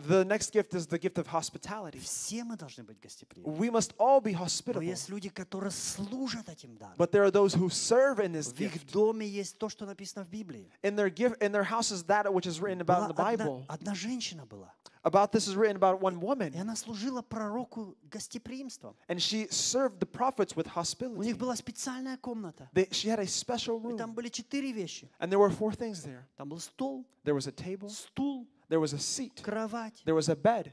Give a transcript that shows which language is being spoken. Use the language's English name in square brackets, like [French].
[English] The next gift is the gift of hospitality. [Russian] Все мы должны быть гостеприимны. [English] We must all be hospitable. [Russian] Но есть люди, которые служат этим даром. [English] But there are those who serve in this gift. [Russian] В их доме есть то, что написано в Библии. [English] In their house is that which is written about in the Bible. [Russian] Одна женщина была. [English] About this is written about one woman. [Russian] И она служила пророку гостеприимством. [English] And she served the prophets with hospitality. [Russian] У них была специальная комната. [English] She had a special room. [Russian] И там были четыре вещи. [English] And there were four things there. [Russian] Там был стол. [English] There was a table. [Russian] Стул, [English] there was a seat, [Russian] кровать, [English] there was a bed,